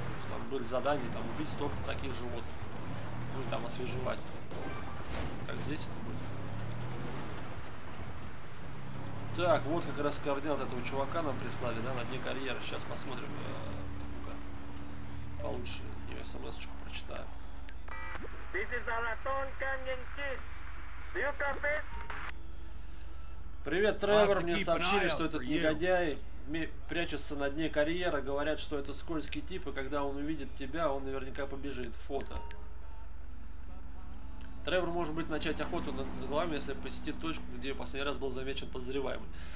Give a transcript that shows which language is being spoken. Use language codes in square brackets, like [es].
[ru] Там были задания, там убить столько таких животных. Ну и там освежевать. Как здесь это будет? Так, вот как раз координат этого чувака нам прислали, да, на дне карьера. Сейчас посмотрим, только получше ее смс-очку прочитаю. [en] This is the Raton Canyon Kid. Do you copy? [ru] Привет, Тревор, мне сообщили, что этот негодяй прячется на дне карьера. Говорят, что это скользкий тип, и когда он увидит тебя, он наверняка побежит. Фото. Тревор может быть начать охоту на главу, если посетит точку, где последний раз был замечен подозреваемый.